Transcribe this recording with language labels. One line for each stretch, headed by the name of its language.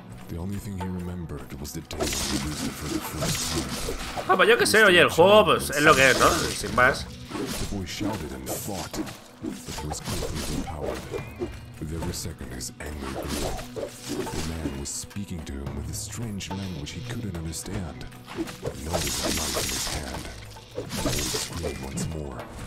English: The only thing he remembered was the day he used it for the first time.
Spanish: Ah, pues yo qué sé, oye, el juego pues es lo que es, ¿no? Sin más.
English: The boy shouted and fought, but he was quickly overpowered. With every second his anger grew. The man was speaking to him with a strange language he couldn't understand. He noticed a light in his hand. The boy screamed once more.